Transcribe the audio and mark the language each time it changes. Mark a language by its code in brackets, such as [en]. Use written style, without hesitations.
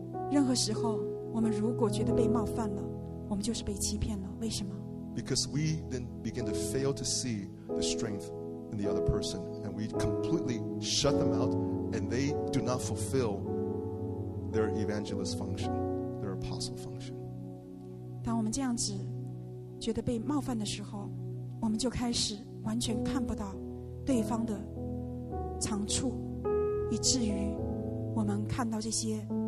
[zh] 任何时候，我们如果觉得被冒犯了。 [en] Because we then begin to fail to see the strength in the other person, and we completely shut them out, and they do not fulfill their evangelist function, their apostle function. [zh] 当我们这样子觉得被冒犯的时候，我们就开始完全看不到对方的长处，以至于我们看到这些。